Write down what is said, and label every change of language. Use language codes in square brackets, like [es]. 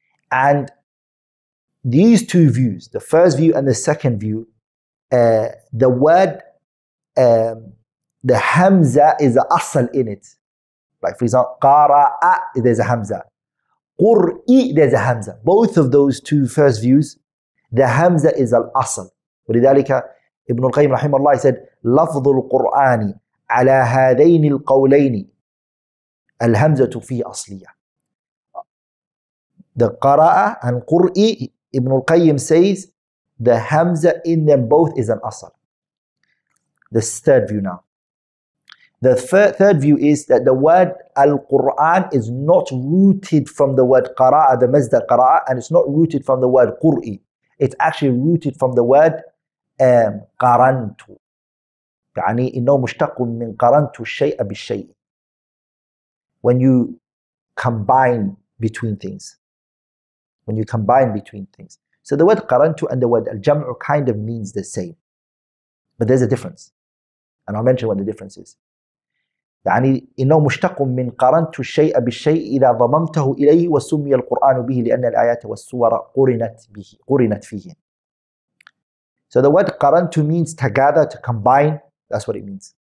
[en] And these two views, the first view and the second view, the word, the hamza is the asal in it. Like for example, qara'a, there's a hamza. Qur'i, there's a hamza. Both of those two first views, the hamza is al-asal. [ar] وَلِذَلِكَ Ibn al-Qayyim رَحِيمَ اللَّهِ [en] said, [ar] لَفْضُ الْقُرْآنِ عَلَى هَذَيْنِ الْقَوْلَيْنِ الْهَمْزَةُ فِي أَصْلِيَةً. [en] The qara'a and qur'i, Ibn al-Qayyim says, the hamza in them both is an asal. This third view now. The third view is that the word al-Qur'an is not rooted from the word qara'a, the mazda qara'a, and it's not rooted from the word qur'i. It's actually rooted from the word qarantu. [ar] يعني إنه مشتق من قرنت الشيء بالشيء. [en] When you combine between things. When you combine between things. So the word qarantu and the word al-jam'u kind of means the same. But there's a difference. And I'll mention what the difference is. [ar] يعني إنه مشتق من قرنت الشيء بالشيء إذا ضممته إليه وسمي القرآن به لأن الآيات والسور قرنت به قرنت فيه. [en] So the word قرنت means to gather, to combine. That's what it means.